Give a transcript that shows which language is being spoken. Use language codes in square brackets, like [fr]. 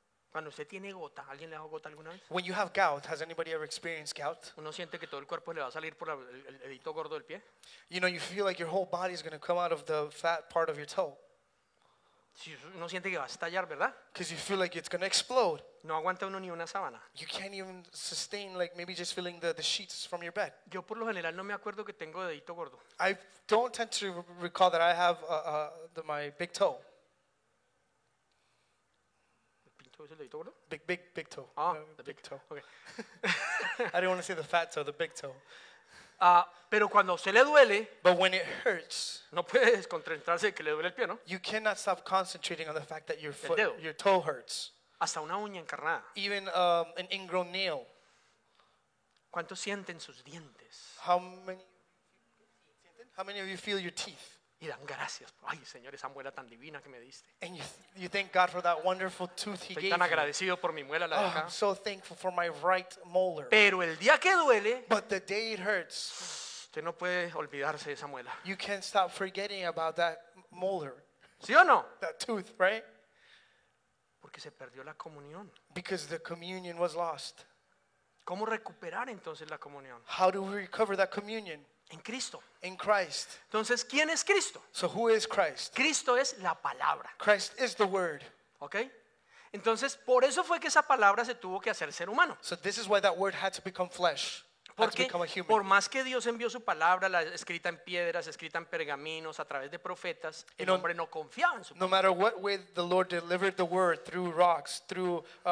[es] Cuando usted tiene gota, ¿alguien le ha dado gota alguna vez? [en] When you have gout, has anybody ever experienced gout? [es] Uno siente que todo el cuerpo le va a salir por el dedito gordo del pie. [en] You know, you feel like your whole body is going to come out of the fat part of your toe. [es] Si uno siente que va a estallar, ¿verdad? [en] Because you feel like it's going to explode. [es] No aguanta uno ni una sábana. [en] You can't even sustain, like maybe just feeling the sheets from your bed. [es] Yo por lo general no me acuerdo que tengo dedito gordo. [en] I don't tend to recall that I have my big toe. [es] ¿El pinto es el dedito gordo? [en] Big toe. Ah, big toe. Okay. I didn't want to say the fat toe, the big toe. [es] Pero cuando se le duele, [en] but when it hurts, [es] no puedes concentrarse que le duele el pie, ¿no? [en] You cannot stop concentrating on the fact that your foot, your toe hurts. [es] Hasta una uña encarnada. [en] Even an ingrown nail. [es] ¿Cuánto sienten sus dientes? [en] How many of you feel your teeth? [es] Y dan gracias. Ay, Señor, esa muela tan divina que me diste. [en] And you thank God for that wonderful tooth he gave. [es] Estoy tan agradecido por mi muela, la de acá. [en] I'm so thankful for my right molar. [es] Pero el día que duele, [en] but the day it hurts, [es] usted no puede olvidarse de esa muela. [en] You can't stop forgetting about that molar. [es] ¿Sí o no? [en] That tooth, right? [es] Porque se perdió la comunión. [en] Because the communion was lost. [es] ¿Cómo recuperar entonces la comunión? [en] How do we recover that communion? [es] En Cristo. [en] In Christ. [es] Entonces, ¿quién es Cristo? [en] So who is Christ? [es] Cristo es la palabra. [en] Christ is the word. ¿Okay? [es] Entonces, por eso fue que esa palabra se tuvo que hacer ser humano. [en] So this is why that word had to become flesh. [es] Porque [en] become a human. [es] Por más que Dios envió su palabra, la escrita en piedras, escrita en pergaminos, a través de profetas, el hombre no confiaba en su palabra. [en] No matter what way the Lord delivered the word, through rocks, through